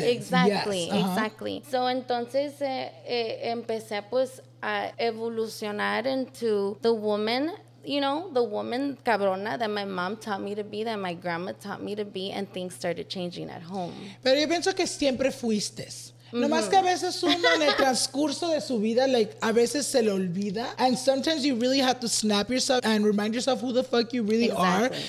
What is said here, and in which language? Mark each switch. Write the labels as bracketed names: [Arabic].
[English] Exactly. Yes. Uh-huh. Exactly. So [Spanish] entonces empecé, pues, a evolucionar [English] into the woman, you know, the woman cabrona that my mom taught me to be, that my grandma taught me to be, and things started changing at home. [Spanish] Pero yo pienso que siempre fuiste. No más que a veces uno en el transcurso de su vida, like, a veces se le olvida. [English] And sometimes you really have to snap yourself and remind yourself who the fuck you really are.